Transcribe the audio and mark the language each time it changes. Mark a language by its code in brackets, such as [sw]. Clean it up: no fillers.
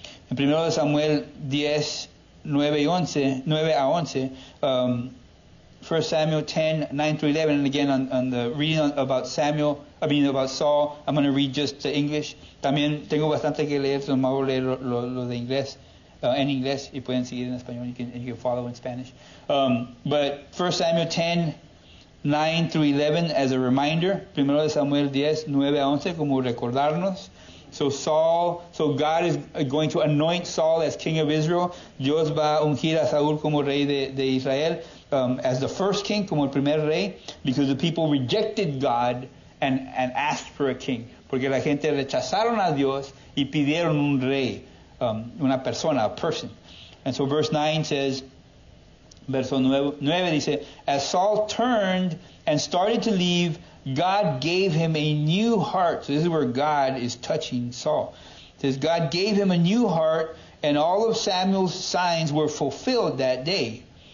[es] En 1 Samuel 10, 9 y 11, 9 a 11, [en] 1 Samuel 10, 9 through 11, and again on the reading about Samuel, I mean about Saul, I'm going to read just the English. [es] También tengo bastante que leer, so me voy a leer lo de inglés. [en] In English, [es] y pueden seguir en español, [en] you can follow in Spanish. But 1 Samuel 10, 9 through 11, as a reminder. [es] 1 Samuel 10, 9 a 11, como recordarnos. [en] So God is going to anoint Saul as king of Israel. [es] Dios va a ungir a Saúl como rey de Israel, [en] as the first king, [es] como el primer rey, [en] because the people rejected God and asked for a king. [es] Porque la gente rechazaron a Dios y pidieron un rey. Una persona, [en] a person. And so verse 9 says, [es] verso 9 dice, [en] as Saul turned and started to leave, God gave him a new heart. So this is where God is touching Saul. It says, God gave him a new heart, and all of Samuel's signs were fulfilled that day.